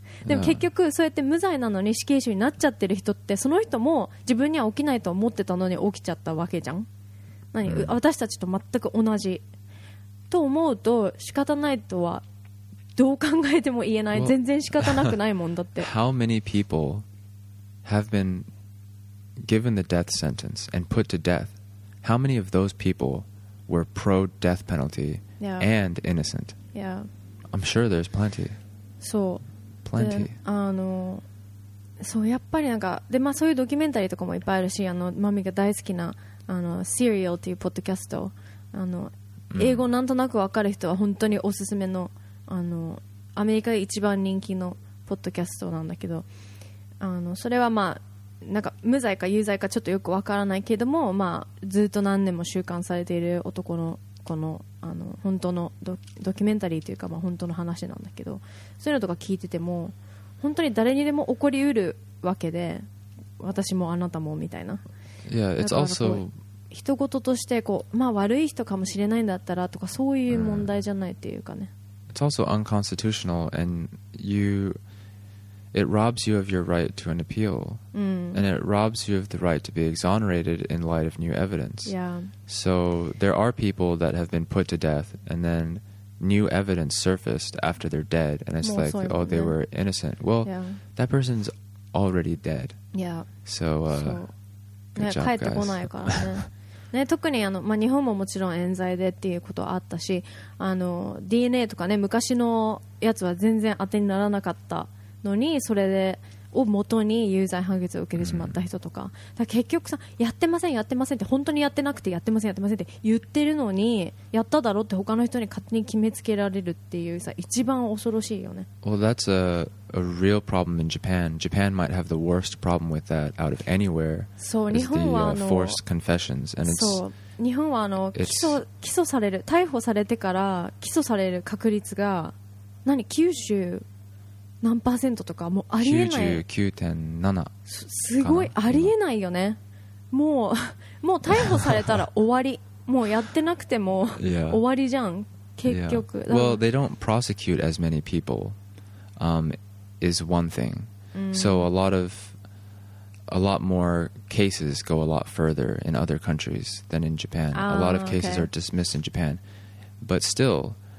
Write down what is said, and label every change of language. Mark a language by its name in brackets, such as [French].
[Japanese] でも結局そうやって無罪なのに死刑囚になっちゃってる人って、その人も自分には起きないと思ってたのに起きちゃったわけじゃん。何、うん、私たちと全く同じと思うと仕方ないとはどう考えても言えない。 [English] well, [Japanese] 全然仕方なくないもんだって。 [English] How many people have been given the death sentence and put to death? How many of those people were pro-death penalty and innocent? Yeah. I'm sure there's plenty. [Japanese] そう。 [English] Plenty. [Japanese] あの、そうやっぱりなんかで、まあ、そういうドキュメンタリーとかもいっぱいあるし、あのマミが大好きなあの Serial っていうポッドキャスト、あの、mm. 英語なんとなくわかる人は本当におすすめの、あのアメリカで一番人気のポッドキャストなんだけど、あのそれはまあなんか無罪か有罪かちょっとよくわからないけども、まあ、ずっと何年も収監されている男の子 の, あの本当の ドキュメンタリーというか、まあ本当の話なんだけど、そういうのとか聞いてても本当に誰にでも起こりうるわけで、私もあなたもみたいな。いや、 [English] yeah, it's also [Japanese] 人事としてこう、まあ、悪い人かもしれないんだったらとか、そういう問題じゃないっていうかね。 [English] It's also unconstitutional, and it robs you of your right to an appeal, and it robs you of the right to be exonerated in light of new evidence. Yeah. So there are people that have been put to death, and then new evidence surfaced after they're dead, and it's like, oh, they were innocent. Well, that person's already dead. Yeah. So, good job, guys. [Japanese] ね、特にあの、まあ、日本ももちろん冤罪でっていうことはあったし、あの DNA とかね、昔のやつは全然当てにならなかったのに、それでを元に有罪判決を受けてしまった人とか、だから結局さ、やってませんやってませんって、本当にやってなくてやってませんやってませんって言ってるのに、やっただろって他の人に勝手に決めつけられるっていうさ、一番恐ろしいよね。 [English] Well, that's a real problem in Japan. Japan might have the worst problem with that out of anywhere. [Japanese] そう、日本はあの、 [English] forced confessions, and it's, [Japanese] そう、日本はあの、起訴される、逮捕されてから起訴される確率が何、何パーセントとか、もうありえない。 99.7 すごいありえないよね。もう逮捕されたら終わり。もうやってなくても終わりじゃん。結局。 [English] Yeah. Well, they don't prosecute as many people, is one thing. So a lot more cases go a lot further in other countries than in Japan. A lot of cases are dismissed in Japan, but still.